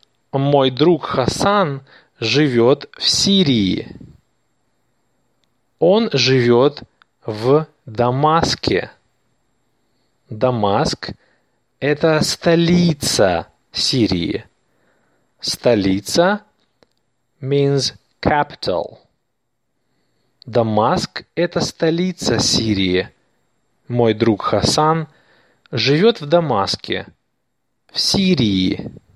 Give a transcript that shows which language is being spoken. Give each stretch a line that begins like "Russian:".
Russian: Мой друг Хасан живет в Сирии. Он живет в Дамаске. Дамаск – это столица Сирии.
English: Столица means capital.
Russian: Дамаск – это столица Сирии. Мой друг Хасан живет в Дамаске, в Сирии.